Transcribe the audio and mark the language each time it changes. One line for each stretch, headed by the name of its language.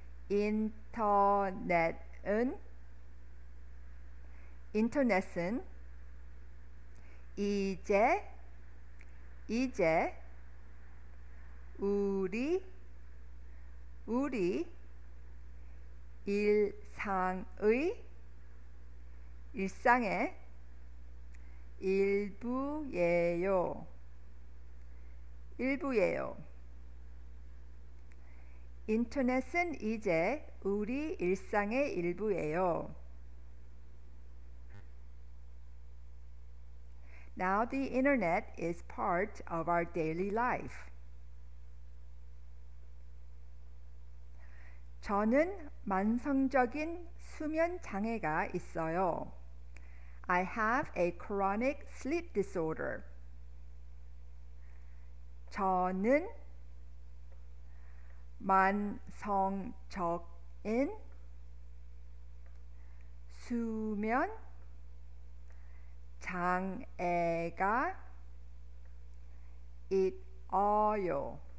Korean: 인터넷은 인터넷은 이제 이제 우리 우리 일상의 일상의 일부예요. 일부예요. 인터넷은 이제 우리 일상의 일부예요.
English: Now the internet is part of our daily life.
Korean: 저는 만성적인 수면 장애가 있어요.
English: I have a chronic sleep disorder.
Korean: 저는 만성적인 수면 장애가 있어요.